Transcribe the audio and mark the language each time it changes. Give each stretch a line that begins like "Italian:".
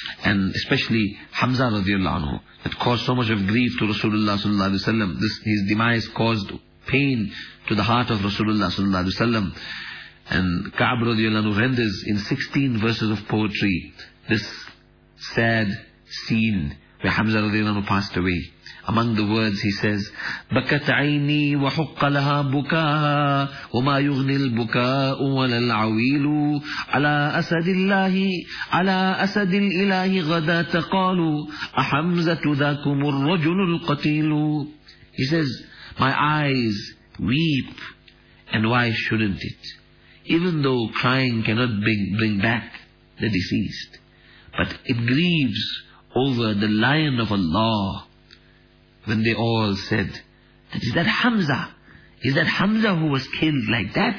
English: And especially Hamza radiallahu anhu, that caused so much of grief to Rasulullah sallallahu alaihi wasallam. This, his demise caused pain to the heart of Rasulullah sallallahu alaihi wasallam. And Ka'b radiallahu anhu renders in 16 verses of poetry this sad scene where Hamza radiallahu anhu passed away.
Arabic: Among the words he says, بَكَتْ عَيْنِي وَحُقَّ لَهَا بُكَاهَا وَمَا يُغْنِي الْبُكَاءُ وَلَا الْعَوِيلُ عَلَىٰ أَسَدِ اللَّهِ عَلَىٰ أَسَدِ الْإِلَهِ غَدَا تَقَالُ أَحَمْزَةُ ذَاكُمُ الرَّجُلُ الْقَتِيلُ.
English: He says, my eyes weep, and why shouldn't it? Even though crying cannot bring back the deceased, but it grieves over the lion of Allah. When they all said, is that Hamza? Is that Hamza who was killed like that?